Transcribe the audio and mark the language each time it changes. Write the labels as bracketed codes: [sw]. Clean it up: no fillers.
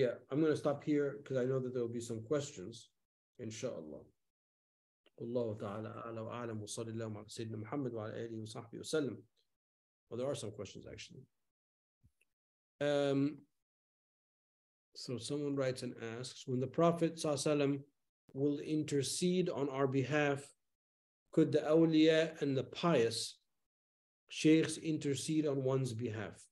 [en] I'm going to stop here because I know that there will be some questions, inshallah. [ar] الله تعالى أعلم وأعلم وصلى الله على سيدنا محمد وعلى آله وصحبه وسلم. [en] Well, there are some questions actually. So someone writes and asks, when the Prophet will intercede on our behalf, could the awliya and the pious sheikhs intercede on one's behalf?